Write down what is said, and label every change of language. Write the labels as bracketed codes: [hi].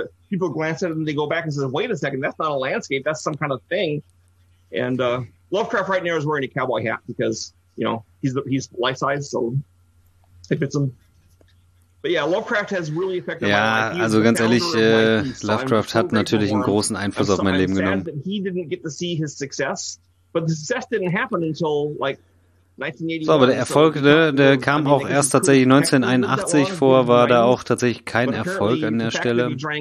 [en] People glance at it and they go back and say, wait a second, that's not a landscape, that's some kind of thing. And Lovecraft right now is wearing a cowboy hat because, you know, he's life size, so it fits him. But yeah, Lovecraft has really affected my life. [de] Also ganz ehrlich, Lovecraft hat natürlich einen großen Einfluss auf mein Leben genommen. [en] He didn't get to see his success, but the success didn't happen until like 1981. [de] So, aber der Erfolg, der kam auch erst tatsächlich 1981 vor, war da auch tatsächlich kein Erfolg an der Stelle.